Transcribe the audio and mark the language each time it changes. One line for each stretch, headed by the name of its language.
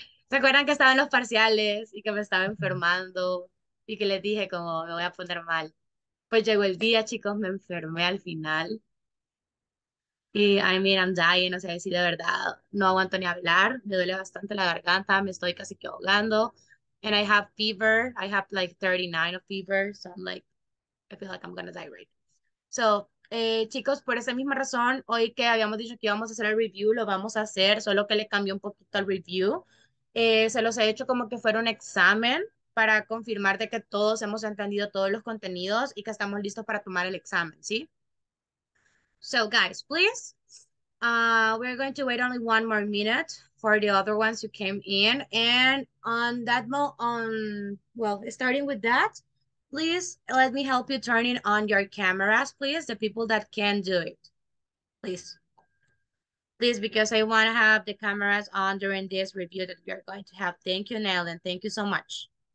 Spanish: ¿Se acuerdan que estaba en los parciales y que me estaba enfermando y que les dije como me voy a poner mal? Pues llegó el día, chicos, me enfermé al final. Y,
English: I mean, I'm dying,
Spanish: o sea, sí, de verdad, no aguanto ni hablar. Me duele bastante la garganta, me estoy casi que ahogando.
English: And I have fever, I have like 39 of fever, so I'm like, I feel like I'm gonna die right.
Spanish: So, chicos, por esa misma razón, hoy que habíamos dicho que íbamos a hacer el review, lo vamos a hacer, solo que le cambié un poquito al review. Se los he hecho como que fuera un examen para confirmar de que todos hemos entendido todos los contenidos y que estamos listos para tomar el examen, ¿sí?
English: So, guys, please, we're going to wait only one more minute for the other ones who came in. And on that mo on, well, starting with that, please let me help you turning on your cameras, please. The people that can do it. Please. Please, because I want to have the cameras on during this review that we are going to have. Thank you, Nellen. Thank you so much.